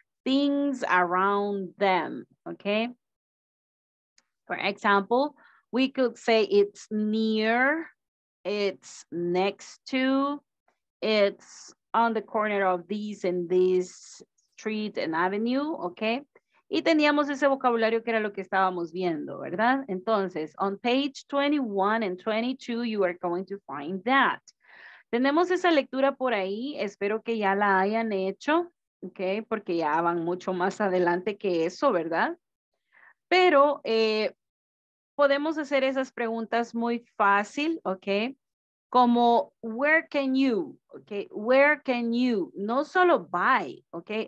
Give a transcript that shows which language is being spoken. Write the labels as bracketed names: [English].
[English] Things around them, okay? For example, we could say it's near, it's next to, it's on the corner of these and this street and avenue, okay? [Spanish] Y teníamos ese vocabulario que era lo que estábamos viendo, ¿verdad? [English] Entonces, on page 21 and 22, you are going to find that. [Spanish] Tenemos esa lectura por ahí, espero que ya la hayan hecho, okay? Porque ya van mucho más adelante que eso, ¿verdad? Pero, podemos hacer esas preguntas muy fácil, ¿ok? [English] Como, where can you, ¿ok? Where can you, [Spanish] no solo [English] by, ¿ok?